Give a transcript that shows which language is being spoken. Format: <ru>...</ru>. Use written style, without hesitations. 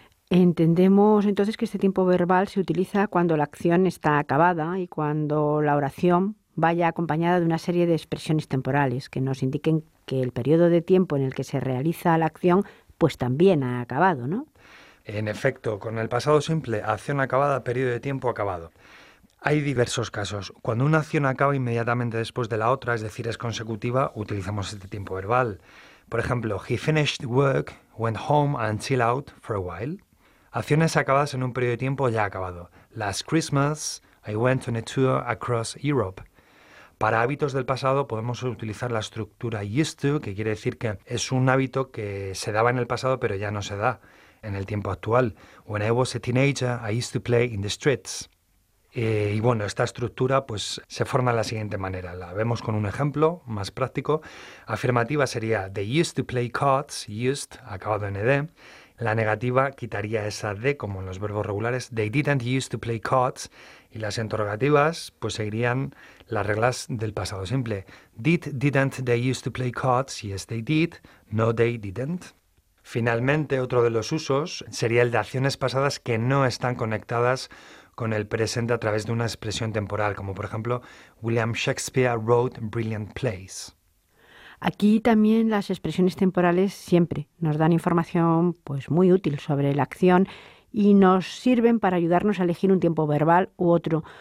<es>Entendemos entonces que este tiempo verbal se utiliza cuando la acción está acabada y cuando la oración vaya acompañada de una serie de expresiones temporales que nos indiquen que el periodo de tiempo en el que se realiza la acción pues también ha acabado, ¿no? En efecto, con el pasado simple, acción acabada, periodo de tiempo acabado. Hay diversos casos. Cuando una acción acaba inmediatamente después de la otra, es decir, es consecutiva, utilizamos este tiempo verbal.</es> <en>Por ejemplo, he finished work, went home and chill out for a while.</en> <es>Acciones acabadas en un periodo de tiempo ya acabado.</es> <en>Last Christmas, I went on a tour across Europe.</en> <es>Para hábitos del pasado podemos utilizar la estructura used to, que quiere decir que es un hábito que se daba en el pasado pero ya no se da. en el tiempo actual.</es> <en>When I was a teenager, I used to play in the streets.</en> <es>Y bueno, esta estructura pues se forma de la siguiente manera. La vemos con un ejemplo más práctico.</es> <en>Afirmativa sería they used to play cards, used, acabado en ed.</en> <es>La negativa quitaría esa de, como en los verbos regulares, they didn't used to play cards. Y las interrogativas pues seguirían las reglas del pasado simple.</es> <en>Did, didn't they used to play cards? Yes, they did. No, they didn't.</en> <es>Finalmente, otro de los usos sería el de acciones pasadas que no están conectadas con el presente a través de una expresión temporal, como por ejemplo, William Shakespeare wrote brilliant plays. Aquí también las expresiones temporales siempre nos dan información pues muy útil sobre la acción y nos sirven para ayudarnos a elegir un tiempo verbal u otro.</es>